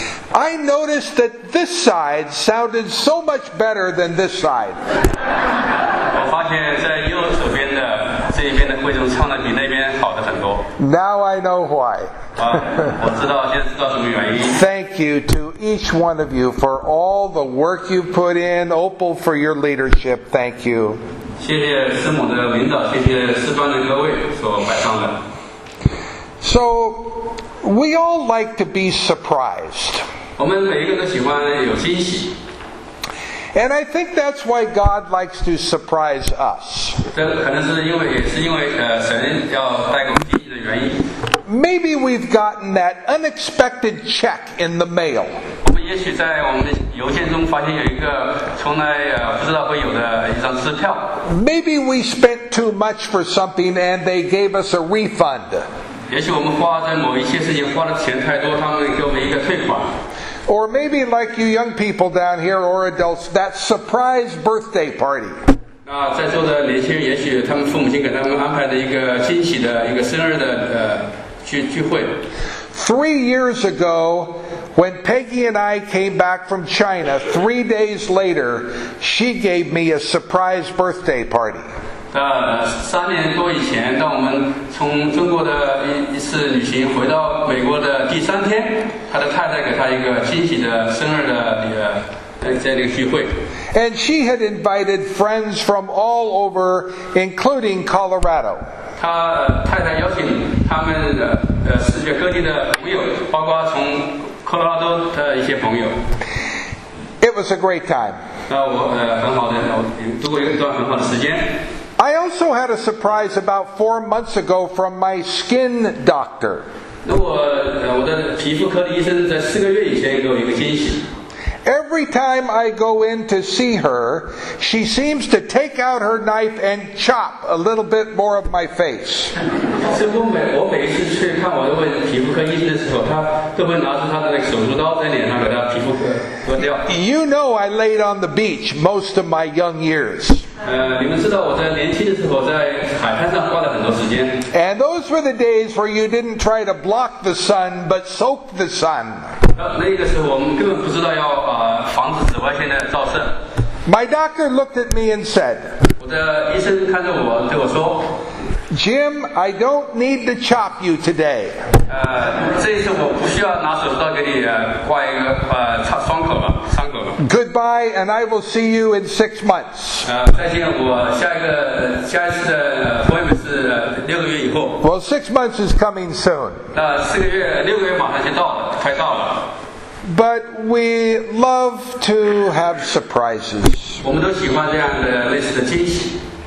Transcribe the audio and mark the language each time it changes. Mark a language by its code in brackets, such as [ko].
[en] I noticed that this side sounded so much better than this side. [zh] 我发现在右手边的这一边的会众唱的比那边好的很多。 [en] Now I know why. [zh] 我知道，现在知道什么原因。 [en] Thank you to each one of you for all the work you put in. Opal, for your leadership. Thank you. [zh] 谢谢师母的领导，谢谢师班的各位所摆上的。 [en] So, we all like to be surprised. [zh] 我们每一个都喜欢有惊喜。 [en] And I think that's why God likes to surprise us. [zh] 这可能是因为，也是因为，神要带给我们惊喜的原因。 [en] Maybe we've gotten that unexpected check in the mail. [zh] 我们也许在我们的邮件中发现有一个从来不知道会有的一张支票。 [en] Maybe we spent too much for something and they gave us a refund. [zh] 也许我们花在某一些事情花的钱太多，他们给我们一个退款。 [en] Or maybe like you young people down here or adults, that surprise birthday party. [zh] 那在座的年轻人，也许他们父母亲给他们安排的一个惊喜的一个生日的聚会。 [en] 3 years ago, when Peggy and I came back from China, 3 days later, she gave me a surprise birthday party. [zh] 3年多以前，当我们从中国的一次旅行回到美国的第三天，他的太太给他一个惊喜的生日的在这个聚会。 [en] And she had invited friends from all over, including Colorado. [zh] 他太太邀请他们世界各地的朋友，包括从科罗拉多的一些朋友。 [en] It was a great time. [zh] 那我很好的，我度过一段很好的时间。 [en] I also had a surprise about 4 months ago from my skin doctor. [zh] 我的皮肤科的医生在4个月以前给我一个惊喜。 [en] Every time I go in to see her, she seems to take out her knife and chop a little bit more of my face. [zh] 是我每一次去看我的皮肤科医生的时候，他都会拿出他的那个手术刀在脸上给他皮肤割掉。 [en] You know I laid on the beach most of my young years. [zh] 你们知道我在年轻的时候在海滩上花了很多时间。 [en] And those were the days where you didn't try to block the sun, but soak the sun. [zh] 那个时候我们根本不知道要防止紫外线的照射。 [en] My doctor looked at me and said, [zh] 我的医生看着我对我说， [en] Jim, I don't need to chop you today. [zh] 这一次我不需要拿手术刀给你刮一个伤口了。 [en] Goodbye, and I will see you in 6 months. [zh] 再见，我下一次的会面是6个月以后。 [en] Well, 6 months is coming soon. [zh] 6个月马上就到了，快到了。 [en] But we love to have surprises. [zh] 我们都喜欢这样的类似的惊喜。